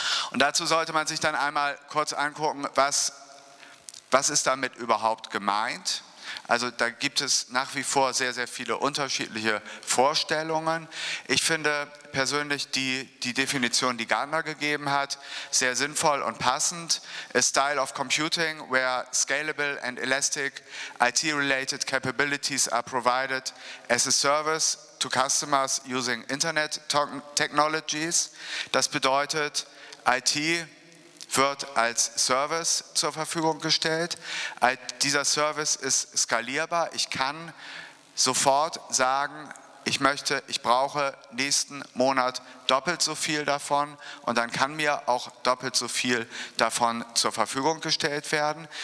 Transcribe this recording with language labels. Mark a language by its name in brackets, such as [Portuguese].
[German] Und dazu sollte man sich dann einmal kurz angucken, was ist damit überhaupt gemeint? Also da gibt es nach wie vor sehr, sehr viele unterschiedliche Vorstellungen. Ich finde persönlich die Definition, die Gartner gegeben hat, sehr sinnvoll und passend. [English] A style of computing where scalable and elastic IT-related capabilities are provided as a service to customers using Internet technologies. [German] Das bedeutet, IT wird als Service zur Verfügung gestellt. Dieser Service ist skalierbar. Ich kann sofort sagen, ich brauche nächsten Monat doppelt so viel davon und dann kann mir auch doppelt so viel davon zur Verfügung gestellt werden.